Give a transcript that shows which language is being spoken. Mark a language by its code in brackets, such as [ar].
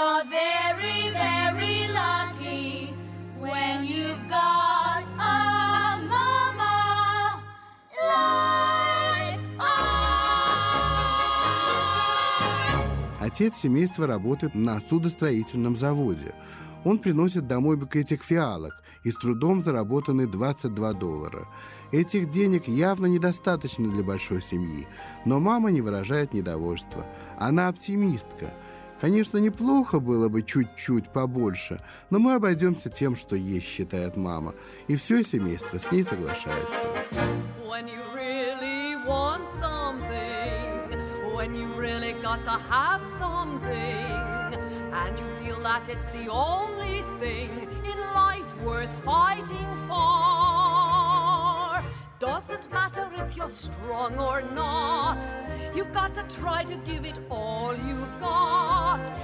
[en] very, very lucky when you've got a mama like ours. [ru] Отец семейства работает на судостроительном заводе. Он приносит домой букетик фиалок и с трудом заработаны $22. Этих денег явно недостаточно для большой семьи, но мама не выражает недовольства. Она оптимистка. Конечно, неплохо было бы чуть-чуть побольше, но мы обойдемся тем, что есть, считает мама, и все семейство с ней соглашается. [en] When you really want something, when you really gotta have something, and you feel that it's the only thing in life worth fighting for. Doesn't matter if you're strong or not, you've got to try to give it all you've got.